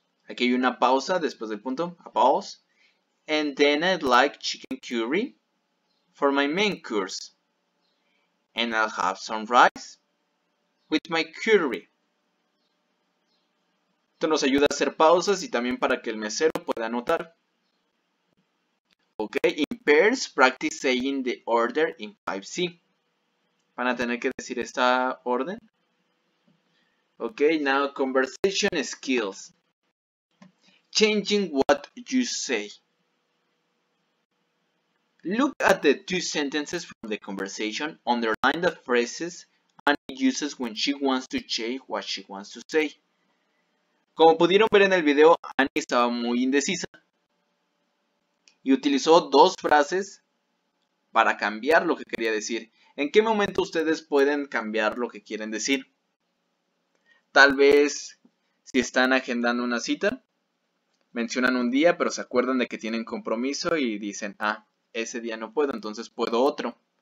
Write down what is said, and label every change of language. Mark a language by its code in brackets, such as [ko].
[es] Aquí hay una pausa después del punto. [en] A pause. And then I'd like chicken curry for my main course. And I'll have some rice with my curry. [es] Esto nos ayuda a hacer pausas y también para que el mesero pueda anotar. [en] Ok, in pairs, practice saying the order in 5C. [es] Van a tener que decir esta orden. [en] Ok, now conversation skills. Changing what you say. Look at the two sentences from the conversation, underline the phrases Annie uses when she wants to change what she wants to say. [es] Como pudieron ver en el video, Annie estaba muy indecisa y utilizó dos frases para cambiar lo que quería decir. ¿En qué momento ustedes pueden cambiar lo que quieren decir? Tal vez si están agendando una cita, mencionan un día, pero se acuerdan de que tienen compromiso y dicen, ah, ese día no puedo, entonces puedo otro.